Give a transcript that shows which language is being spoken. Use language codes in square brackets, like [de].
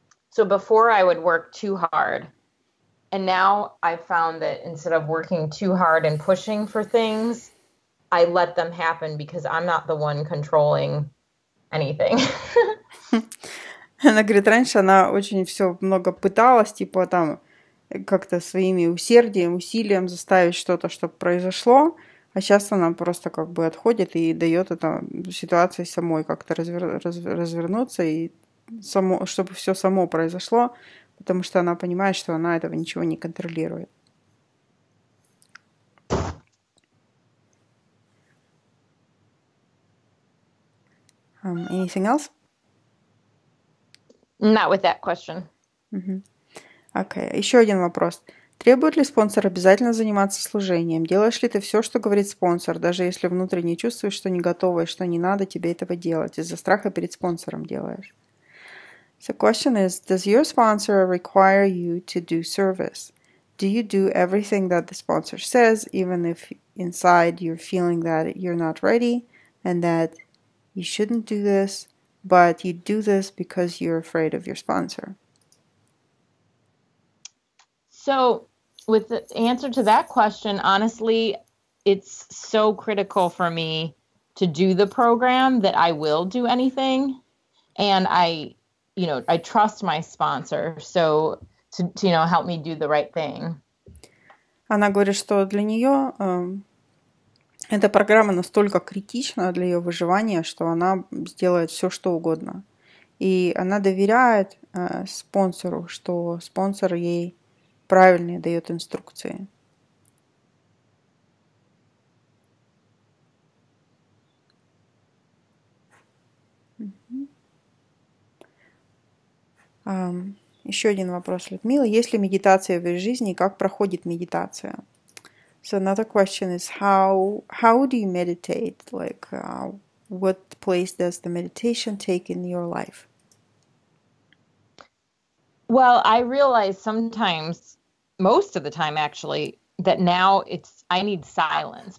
[en] So before I would work too hard, and now I found that instead of working too hard and pushing for things, I let them happen because I'm not the one controlling anything. [ru] Она говорит, раньше она очень все много пыталась, типа там как-то своими усердием, усилием заставить что-то, чтобы произошло, а сейчас она просто как бы отходит и дает это ситуации самой как-то развернуться и само, чтобы все само произошло, потому что она понимает, что она этого ничего не контролирует. [en] Anything else? Not with that question. [ru] Окей, okay. Еще один вопрос. Требует ли спонсор обязательно заниматься служением? Делаешь ли ты все, что говорит спонсор, даже если внутренне чувствуешь, что не готова и что не надо тебе этого делать, из-за страха перед спонсором делаешь? [en] So question is, does your sponsor require you to do service? Do you do everything that the sponsor says, even if inside you're feeling that you're not ready and that you shouldn't do this, but you do this because you're afraid of your sponsor? So with the answer to that question, honestly, it's so critical for me to do the program that I will do anything. And you know, I trust my sponsor, so to you know, help me do the right thing. [ru] Она говорит, что для нее эта программа настолько критична для ее выживания, что она сделает все, что угодно. И она доверяет спонсору, что спонсор ей правильные дает инструкции. Mm-hmm. Еще один вопрос, Людмила. Есть ли медитация в жизни? Как проходит медитация? [en] So another question is how do you meditate? Like what place does the meditation take in your life? Well, I realize sometimes, most of the time actually, that now it's I need silence.